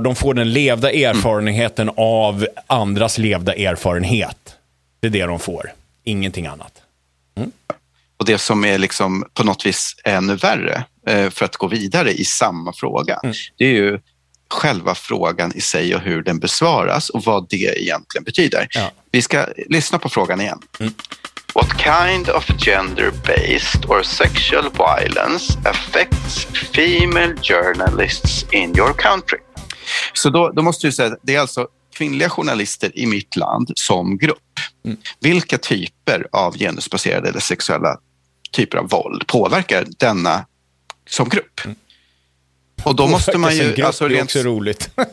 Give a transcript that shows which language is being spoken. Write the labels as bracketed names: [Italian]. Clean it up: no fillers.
[Swedish] De får den levda erfarenheten av andras levda erfarenhet. Det är det de får. Ingenting annat. Mm. Och det som är liksom på något vis ännu värre, för att gå vidare i samma fråga, det är ju själva frågan i sig och hur den besvaras och vad det egentligen betyder. Ja. Vi ska lyssna på frågan igen. [English] What kind of gender-based or sexual violence affects female journalists in your country? [Swedish] Så då måste du säga att det är alltså kvinnliga journalister i mitt land som grupp. Mm. Vilka typer av genusbaserade eller sexuella typer av våld påverkar denna som grupp? Mm. Och då måste man ju... Alltså, det är också roligt.